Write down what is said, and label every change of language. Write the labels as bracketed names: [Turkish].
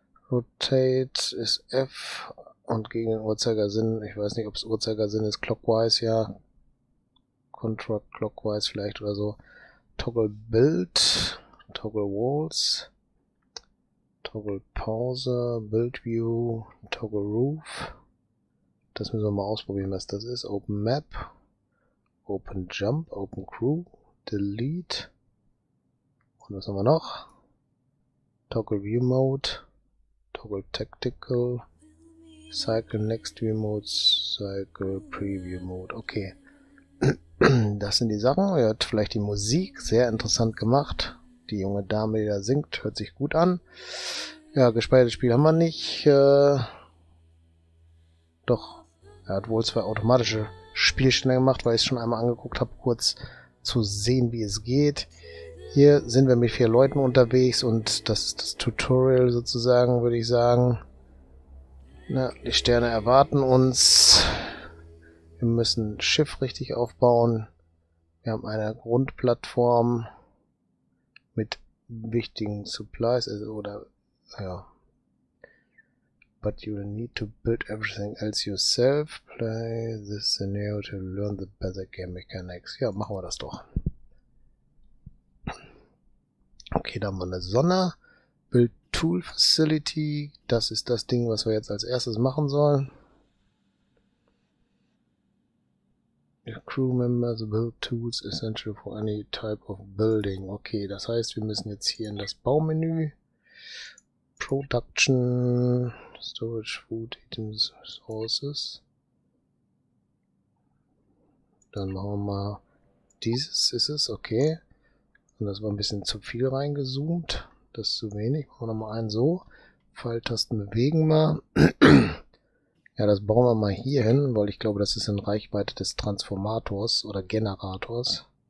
[German] Rotate ist F und gegen den Uhrzeigersinn, ich weiß nicht, ob es Uhrzeigersinn ist, Clockwise, ja, Control Clockwise vielleicht oder so, [English] Toggle Build, Toggle Walls, Toggle Pause, Build View, Toggle Roof. [German] Das müssen wir mal ausprobieren, was das ist. [English] Open Map, Open Jump, Open Crew, Delete. [German] Und was haben wir noch? [English] Toggle View Mode, Toggle Tactical, Cycle Next View Mode, Cycle Preview Mode. [German] Okay. Das sind die Sachen. Ihr hört vielleicht die Musik. Sehr interessant gemacht. Die junge Dame, die da singt, hört sich gut an. Ja, gespeichertes Spiel haben wir nicht. Doch, er hat wohl zwei automatische Spielstände gemacht, weil ich es schon einmal angeguckt habe, kurz zu sehen, wie es geht. Hier sind wir mit 4 Leuten unterwegs und das ist das Tutorial sozusagen, würde ich sagen. Ja, die Sterne erwarten uns. Wir müssen Schiff richtig aufbauen. Wir haben eine Grundplattform mit wichtigen Supplies, also oder ja. [English] But you will need to build everything else yourself. Play this scenario to learn the better game mechanics. [German] Ja, machen wir das doch. Okay, da haben wir eine Sonne. [English] Build Tool Facility. [German] Das ist das Ding, was wir jetzt als erstes machen sollen. [English] Your crew members build tools essential for any type of building. [German] Okay, das heißt, wir müssen jetzt hier in das Baumenü. [English] Production, Storage, Food, Items, Resources. [German] Dann machen wir mal dieses, ist es, okay. Und das war ein bisschen zu viel reingezoomt. Das ist zu wenig. Machen wir nochmal einen so. Pfeiltasten bewegen wir. Ja, das bauen wir mal hier hin, weil ich glaube, das ist in Reichweite des Transformators oder Generators.